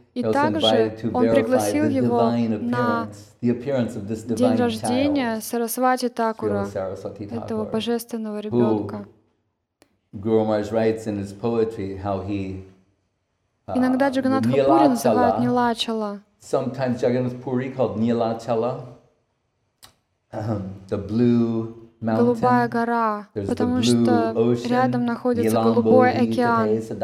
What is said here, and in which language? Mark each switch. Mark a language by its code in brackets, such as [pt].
[ru] И также он пригласил его на день рождения Сарасвати Такура, этого божественного ребенка. [en] Гуру Махарадж writes in his poetry how he [ru] иногда Джаганнат Пури называют Нилачала. [en] Sometimes Jagannath Puri called Nilachala, the blue mountain. [ru] Голубая гора, потому что рядом находится голубой океан.